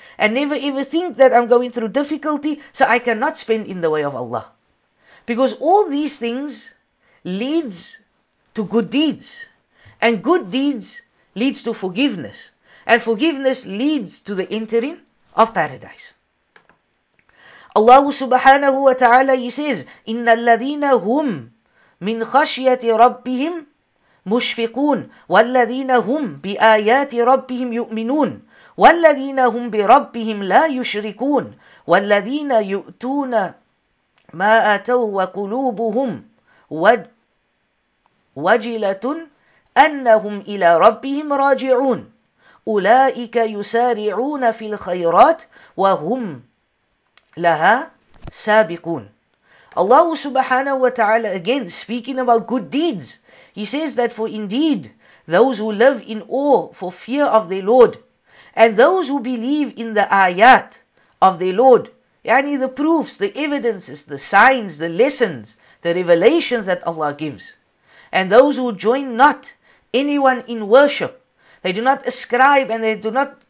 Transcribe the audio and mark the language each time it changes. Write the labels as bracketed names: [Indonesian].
[English] And never ever think that I'm going through difficulty, so I cannot spend in the way of Allah. Because all these things leads to good deeds. And good deeds leads to forgiveness. And forgiveness leads to the entering of paradise. Allah subhanahu wa ta'ala, He says, [Arabic] إِنَّ الَّذِينَ هُمْ مِنْ خَشْيَةِ رَبِّهِمْ مُشْفِقُونَ وَالَّذِينَ هُمْ بِآيَاتِ رَبِّهِمْ يُؤْمِنُونَ وَالَّذِينَ هُمْ بِرَبِّهِمْ لَا يُشْرِكُونَ وَالَّذِينَ يُؤْتُونَ مَا أَتَوْا وَقُلُوبُهُمْ وَجِلَةٌ أَنَّهُمْ إِلَى رَبِّهِمْ رَاجِعُونَ أُولَئِكَ يُسَارِعُونَ فِي الْخَيْرَاتِ وَهُمْ لَهَا سَابِقُونَ. [English] Allah subhanahu wa ta'ala again speaking about good deeds. He says that for indeed those who live in awe for fear of their Lord, and those who believe in the ayat of their Lord, yani the proofs, the evidences, the signs, the lessons, the revelations that Allah gives, and those who join not anyone in worship, they do not ascribe and they do not